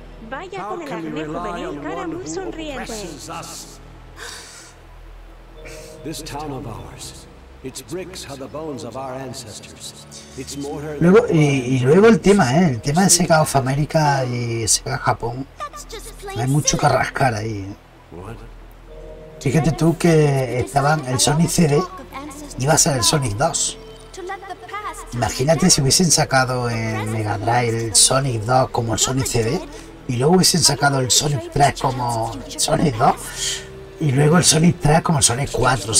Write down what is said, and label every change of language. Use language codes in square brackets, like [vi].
[es] Vaya con el acné juvenil, cara muy sonriente. [en] This town of ours, its bricks are the bones of our ancestors. Its mortar. [es] Luego y luego el tema de Sega of America y Sega Japón. Hay mucho que rascar ahí. Fíjate tú que estaban el Sonic CD iba a ser el Sonic 2. Imagínate si hubiesen sacado en Mega Drive el Sonic 2 como el Sonic CD y luego hubiesen sacado el Sonic 3 como el Sonic 2 y luego el Sonic 3 como el Sonic 4.